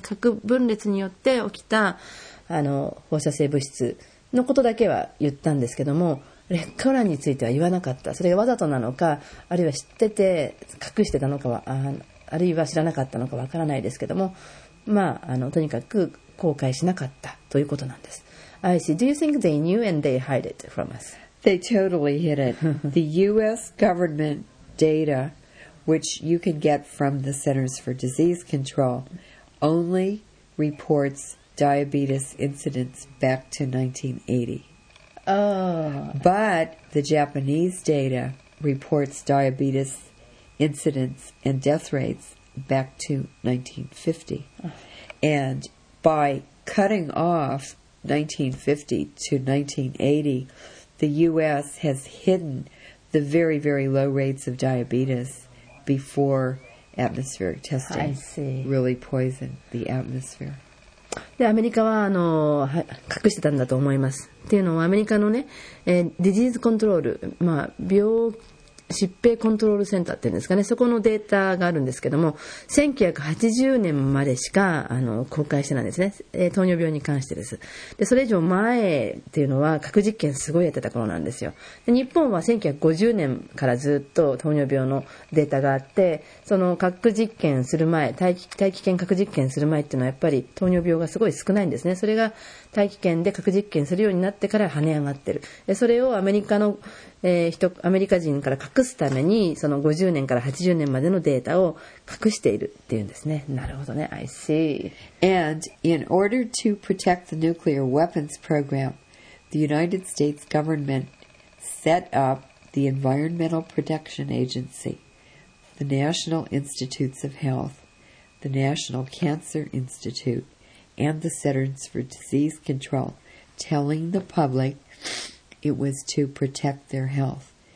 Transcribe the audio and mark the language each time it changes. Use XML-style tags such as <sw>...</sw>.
<ja>核分裂によって起きた放射性物質のことだけは言ったんですけども、劣化ウランについては言わなかった。それがわざとなのか、あるいは知ってて隠してたのかは、あるいは知らなかったのかわからないですけども、まあとにかく公開しなかったということなんです。</ja> <en>I see. Do you think they knew and they hide it from us? They totally hid it. The U.S. government data, which you can get from the Centers for Disease Control, only reports diabetes incidents back to 1980. Oh. But the Japanese data reports diabetes incidents and death rates back to 1950. And by cutting off 1950 to 1980,The U.S. has hidden the very, very low rates of diabetes before atmospheric testing really poisoned the atmosphere.</en> <ja>で、アメリカは隠してたんだと思います。っていうのはアメリカのね、ディジーズコントロール、まあ病疾病コントロールセンターっていうんですかね、そこのデータがあるんですけども、1980年までしか公開してないんですね、糖尿病に関してです。で、それ以上前っていうのは核実験すごいやってた頃なんですよ。で、日本は1950年からずっと糖尿病のデータがあって、その核実験する前、大気圏核実験する前っていうのはやっぱり糖尿病がすごい少ないんですね。それが大気圏で核実験するようになってから跳ね上がってる。で、それをアメリカの、アメリカ人から隠すためにその50年から80年までのデータを隠しているっていうんですね。なるほどね。</ja> <en>I see. And in order to protect the nuclear weapons program, the United States government set up the Environmental Protection Agency, the National Institutes of Health, the National Cancer Institute,and the Centers for Disease Control, telling the public it was to protect their health.</en>